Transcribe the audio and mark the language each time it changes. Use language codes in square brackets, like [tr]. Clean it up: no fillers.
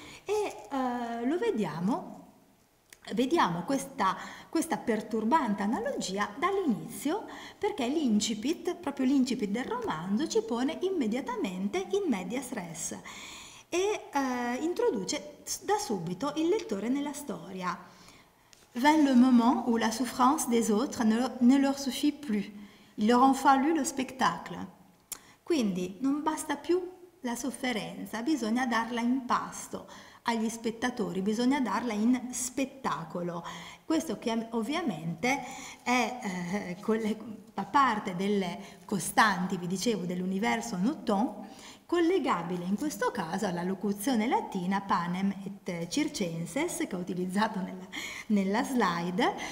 [it] E lo vediamo. Vediamo questa perturbante analogia dall'inizio, perché l'incipit, proprio l'incipit del romanzo, ci pone immediatamente in medias res e introduce da subito il lettore nella storia. [fr] Vint le moment où la souffrance des autres ne leur suffit plus. Il leur en fallut le spectacle. [it] Quindi non basta più la sofferenza, bisogna darla in pasto agli spettatori, bisogna darla in spettacolo. Questo che ovviamente è fa parte delle costanti, vi dicevo, dell'universo Nouton, collegabile in questo caso alla locuzione latina panem et circenses che ho utilizzato nella slide.